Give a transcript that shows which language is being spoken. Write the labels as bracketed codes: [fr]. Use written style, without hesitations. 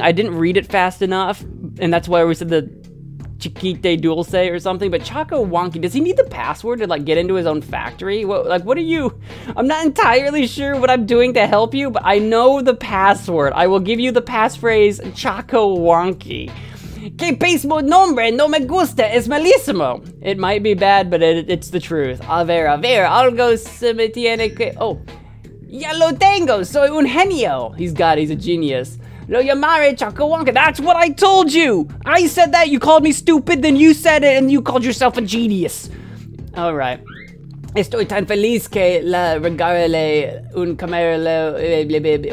[en] I didn't read it fast enough. And that's why we said the Chiquite Dulce or something. But Choco Wonky, does he need the password to like get into his own factory? I'm not entirely sure what I'm doing to help you, but I know the password. I will give you the passphrase Choco Wonky. [es] Que pésimo nombre, no me gusta, es malísimo. [en] It might be bad, but it's the truth. [es] A ver, algo se me tiene que. Oh. Ya lo tengo, soy un genio. [en] He's a genius. [es] Lo llamaré Choco Wonky. [en] That's what I told you. I said that, you called me stupid, then you said it, and you called yourself a genius. All right. [es] Estoy tan feliz que la regale un camarero.